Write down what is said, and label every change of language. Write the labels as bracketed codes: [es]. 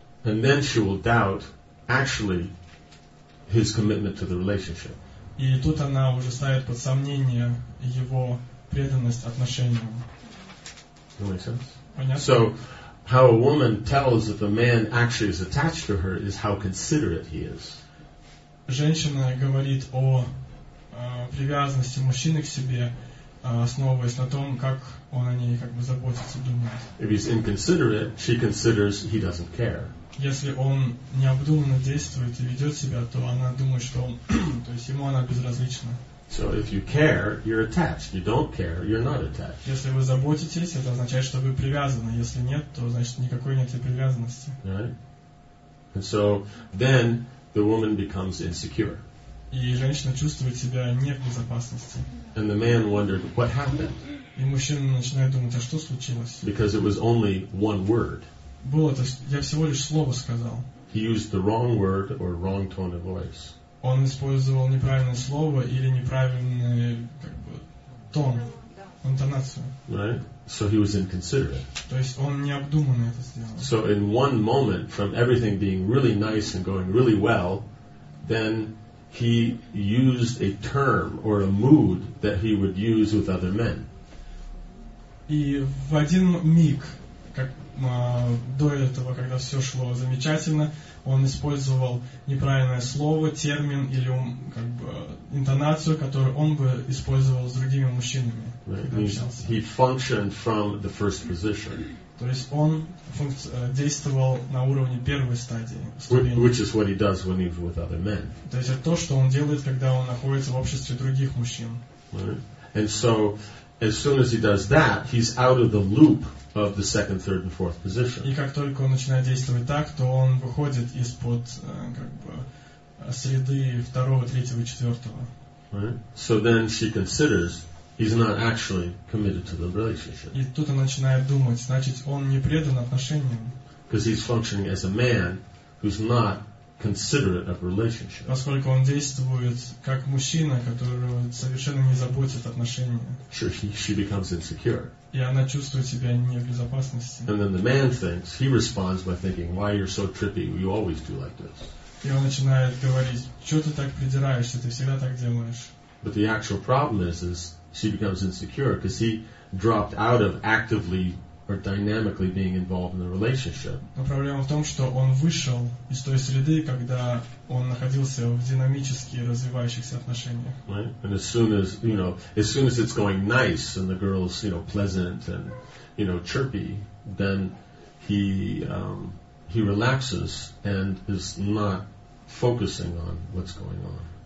[en] And then she will doubt actually his commitment to the relationship. [ru] И тут она уже ставит под сомнение его преданность отношениям. Понятно? [en] So how a woman tells if a man actually is attached to her is how considerate he is. [ru] Женщина говорит о привязанности мужчины к себе, основываясь на том, как он о ней как бы заботится, думает. [en] If he's inconsiderate, she considers he doesn't care. [ru] Если он необдуманно действует и ведет себя, то она думает, что он, то есть ему она безразлична. [en] So if you care, you're attached. You don't care, you're not attached. [ru] Если вы заботитесь, это означает, что вы привязаны. Если нет, то значит никакой нет и привязанности. [en] Right? And so then the woman becomes insecure. [ru] И женщина чувствует себя не в безопасности. [en] And the man wondered, what happened? [ru] И мужчина начинает думать, а что случилось? [en] Because it was only one word. [ru] Было то, что я всего лишь слово сказал. [en] He used the wrong word or wrong tone of voice. [ru] Он использовал неправильное слово или неправильный как бы тон, интонацию. [en] Right? So he was inconsiderate. [ru] То есть он необдуманно это сделал. [en] So in one moment, from everything being really nice and going really well, then he used a term or a mood that he would use with other men. [ru] И в один миг, как до этого, когда все шло замечательно, он использовал неправильное слово, термин или как бы интонацию, которую он бы использовал с другими мужчинами, когда общался. [en] He functioned from the first position. [ru] То есть он действовал на уровне первой стадии. [en] Which is what he does when he's with other men. [ru] То есть это то, что он делает, когда он находится в обществе других мужчин. [en] Right. And so, as soon as he does that, he's out of the loop of the second, third, and fourth position. [ru] И как только он начинает действовать так, то он выходит из-под как бы среды второго, третьего, четвертого. [en] Right. So then she considers he's not actually committed to the relationship. [ru] И тут она начинает думать, значит, он не предан отношениям. [en] Because he's functioning as a man who's not considerate of relationship. [ru] Поскольку он действует как мужчина, которого совершенно не заботит отношения. [en] Sure, she becomes insecure. [ru] И она чувствует себя не в безопасности. [en] And then the man thinks, he responds by thinking, why you're so trippy, you always do like this. [ru] И он начинает говорить, что ты так придираешься, ты всегда так делаешь. [en] But the actual problem is she becomes insecure because he dropped out of actively or dynamically being involved in the relationship. [ru] Но проблема в том, что он вышел из той среды, когда он находился в динамически развивающихся отношениях. [en] Right? And as soon as it's going nice and the girl's, you know, pleasant and, you know, chirpy, then he relaxes and is not focusing on what's going on.